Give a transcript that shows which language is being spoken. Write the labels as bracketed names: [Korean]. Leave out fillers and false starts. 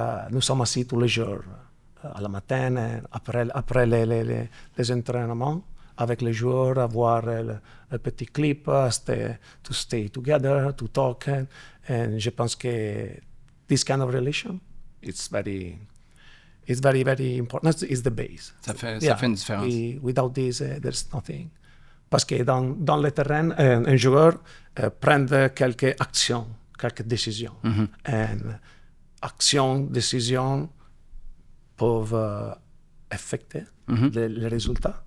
[French] Nous sommes assis tous les jours à la matin après les entraînements avec les joueurs, à voir le petit clip, [English] to stay together, to talk. [French] Et je pense que [English] this kind of relation, it's very important. It's the base. [French] Ça fait une différence. Et [English] without this, there's nothing. [French] Parce que dans le terrain, un joueur prend quelques actions, quelques décisions. Mm-hmm. Et actions, décisions peuvent affecter mm-hmm. les résultats.